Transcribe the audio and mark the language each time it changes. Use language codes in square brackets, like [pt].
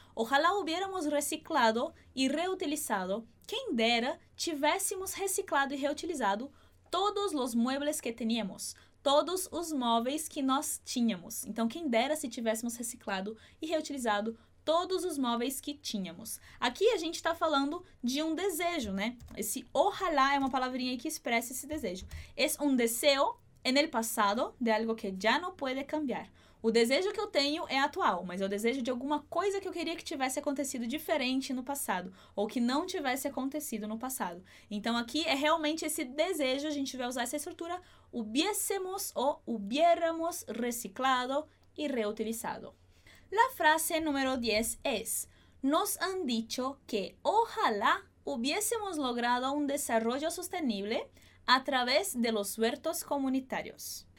[es] Ojalá hubiéramos reciclado [pt] e reutilizado, quem dera tivéssemos reciclado e reutilizado todos os [es] muebles que teníamos, [pt] todos os móveis que nós tínhamos. Então, quem dera se tivéssemos reciclado e reutilizado todos os móveis que tínhamos. Aqui a gente está falando de um desejo, né? Esse ojalá é uma palavrinha aí que expressa esse desejo. [es] Es un deseo en el pasado de algo que ya no puede cambiar. [pt] O desejo que eu tenho é atual, mas é o desejo de alguma coisa que eu queria que tivesse acontecido diferente no passado, ou que não tivesse acontecido no passado. Então aqui é realmente esse desejo, a gente vai usar essa estrutura, hubiésemos ou hubiéramos reciclado e reutilizado. [es] La frase número 10 es: Nos han dicho que ojalá hubiésemos logrado un desarrollo sostenible a través de los huertos comunitarios.